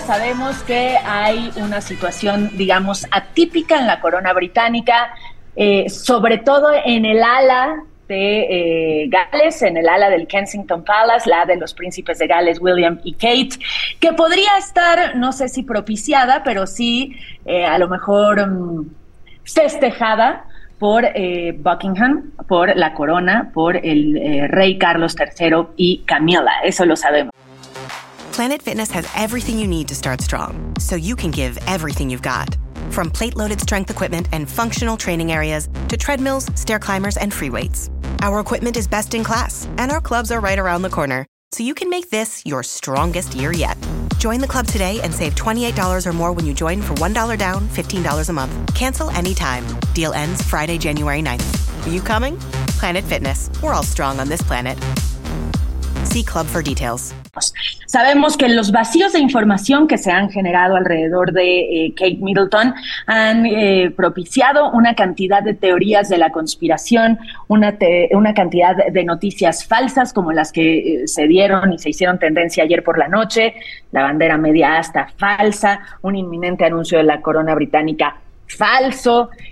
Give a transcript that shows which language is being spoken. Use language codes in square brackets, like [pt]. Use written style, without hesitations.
[es] Sabemos que hay una situación, digamos, atípica en la corona británica, sobre todo en el ala de Gales, en el ala del Kensington Palace, la de los príncipes de Gales, William y Kate, que podría estar, no sé si propiciada, pero sí a lo mejor festejada por Buckingham, por la corona, por el rey Carlos III y Camila, eso lo sabemos. [en] Planet Fitness has everything you need to start strong, so you can give everything you've got. From plate-loaded strength equipment and functional training areas to treadmills, stair climbers, and free weights. Our equipment is best in class, and our clubs are right around the corner, so you can make this your strongest year yet. Join the club today and save $28 or more when you join for $1 down, $15 a month. Cancel anytime. Deal ends Friday, January 9th. Are you coming? Planet Fitness. We're all strong on this planet. See Club for details. [es] Sabemos que los vacíos de información que se han generado alrededor de Kate Middleton han propiciado una cantidad de teorías de la conspiración, una cantidad de noticias falsas como las que se dieron y se hicieron tendencia ayer por la noche, la bandera media asta falsa, un inminente anuncio de la corona británica falso,